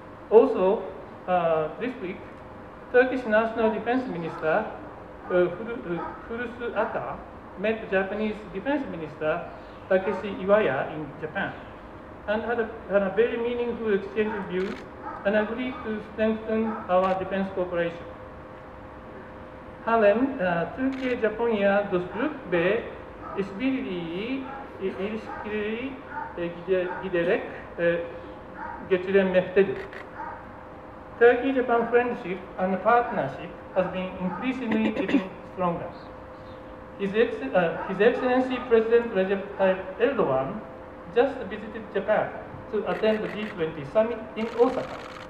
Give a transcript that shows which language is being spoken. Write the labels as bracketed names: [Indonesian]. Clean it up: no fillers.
[English] Also, this week, Turkish National Defense Minister Hulusi Akar met Japanese Defense Minister Takeshi Iwaya in Japan and had a very meaningful exchange of views and agreed to strengthen our defense cooperation. [Turkish] Halen, Türkiye-Japonya dostluk ve işbirliği ilişkileri giderek geliştirilmektedir. [English] Turkey-Japan friendship and partnership has been increasingly getting stronger. His Excellency President Recep Tayyip Erdogan just visited Japan to attend the G20 summit in Osaka.